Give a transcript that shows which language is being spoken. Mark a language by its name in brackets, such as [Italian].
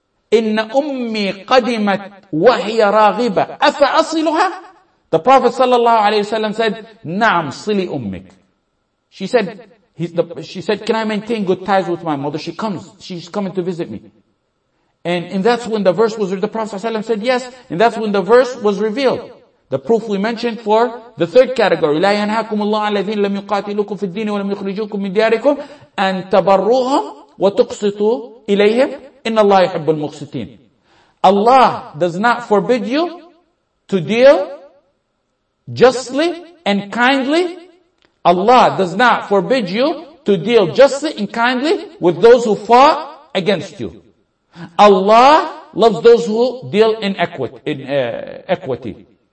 [Arabic] إِنَّ أُمِّي قَدِمَتْ وَهِيَ رَاغِبَةً أَفَأَصِلُهَا. [English] The Prophet sallallahu alaihi wasallam said, [Arabic] نَعْمْ صِلِي أُمِّك. [English] She said, can I maintain good ties with my mother? She comes, she's coming to visit me. And that's when the verse was, the Prophet sallallahu alaihi wasallam said yes, and that's when the verse was revealed. The proof we mentioned for the third category, [Arabic] لَا يَنْهَاكُمُ اللَّهُ الَّذِينَ لَمْ يُقَاتِلُكُمْ فِي الدِّينِ وَلَمْ يُخْرِجُوكُمْ مِنْ دِيَارِكُمْ أَنْ تَبَرُّوهُمْ وَتُقْسِطُوا إِلَيْهِمْ إِنَّ اللَّهَ يُحِبُّ الْمُقْسِطِينَ. [English] Allah does not forbid you to deal justly and kindly. Allah does not forbid you to deal justly and kindly with those who fought against you. Allah loves those who deal in equity.